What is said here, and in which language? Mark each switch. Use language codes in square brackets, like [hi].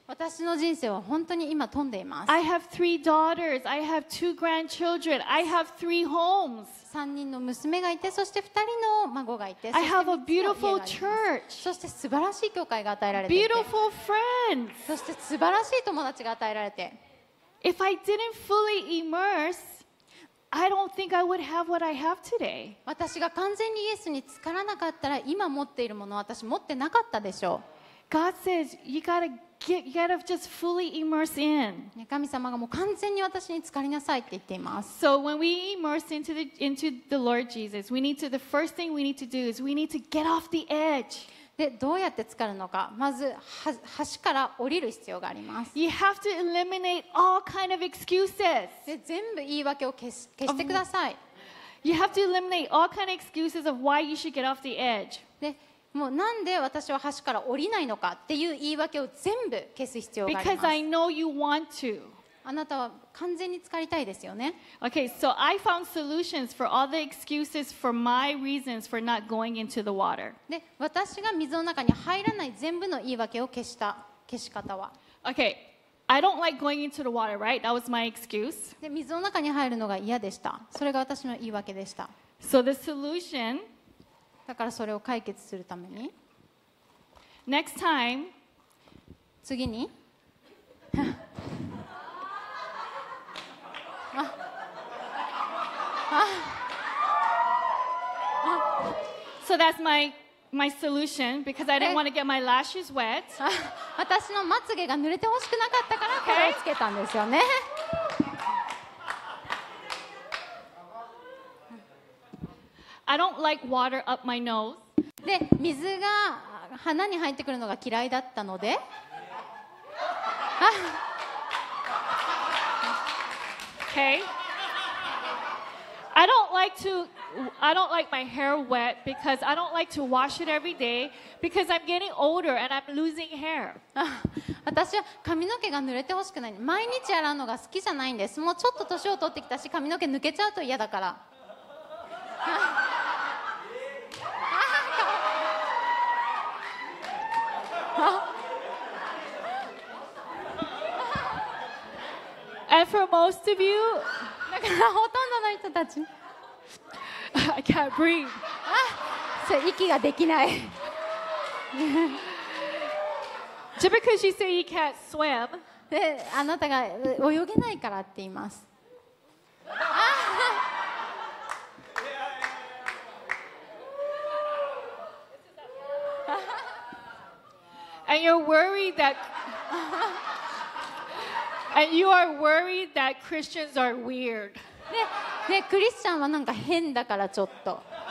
[ja] 私の人生は本当に今富んでいます。 [en] I have three daughters. I have two grandchildren. I have three homes. [ja] 3人の娘がいて、そして2人の孫がいて、 [en] I have a beautiful church. [ja] そして素晴らしい教会が与えられて、 [en] Beautiful friends. [ja] そして素晴らしい友達が与えられて、 [en] If I didn't fully immerseI don't think I would have what I have today. [ja] 私が完全にイエスに浸からなかったら、今持っているものは私持ってなかったでしょう。 [en] God says you gotta get, you gotta just fully immerse in. [ja] 神様がもう完全に私に浸かりなさいって言っています。 [en] So when we immerse into the Lord Jesus, we need to the first thing we need to do is we need to get off the edge. [ja] で、どうやって浸かるのか、まず橋から降りる必要があります。 [en] You have to eliminate all kind of excuses. [ja] で、全部言い訳を消してください。 [en] You have to eliminate all kind of excuses of why you should get off the edge. [ja] で、もうなんで私は橋から降りないのかっていう言い訳を全部消す必要があります。 [en] Because I know you want to. [ja] あなたは完全に浸かりたいですよね。 [en] Okay, so I found solutions for all the excuses for my reasons for not going into the water. [ja] で、私が水の中に入らない全部の言い訳を消し方は。 [en] Okay, I don't like going into the water, right? That was my excuse. [ja] で、水の中に入るのが嫌でした。それが私の言い訳でした。 [en] So the solution... [ja] だからそれを解決するために。 [en] Next time... [ja] 次に [en] So that's my solution because I didn't want to get my lashes wet. [ja] 私のまつげが濡れて欲しくなかったからこれをつけたんですよね。 [en] I don't like water up my nose. [ja] で、水が鼻に入ってくるのが嫌いだったので、 [en] Okay. I don't like my hair wet because I don't like to wash it every day because I'm getting older and I'm losing hair. [ja] 私は髪の毛が濡れてほしくない。毎日洗うのが好きじゃないんです。もうちょっと年を取ってきたし、髪の毛抜けちゃうと嫌だから。 [en] And for most of you, [ja] だからほとんどの人たち、 [en] I can't breathe. [ja] それ息ができない。 [en] Just because you say you can't swim, [ja] あなたが泳げないからって言います。 [en] And you're worried that. And you are worried that Christians are weird. [ja] ね、クリスチャンはなんか変だからちょっと。